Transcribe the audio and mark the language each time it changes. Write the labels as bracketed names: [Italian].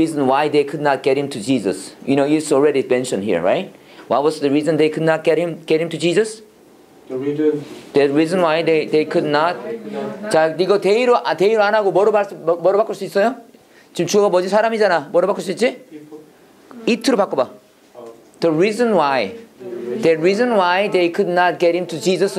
[English] What was the reason why they could not get him to Jesus? You know, it's already mentioned here, right? What was the reason they could not get him to Jesus? The reason why they could not. [Korean] 자, 이거 데이로 안 하고 뭐로 바꿀 수 있어요? 지금 주어가 뭐지? 사람이잖아. 뭐로 바꿀 수 있지? It로 바꿔봐. [English] The reason why they could not get him to Jesus.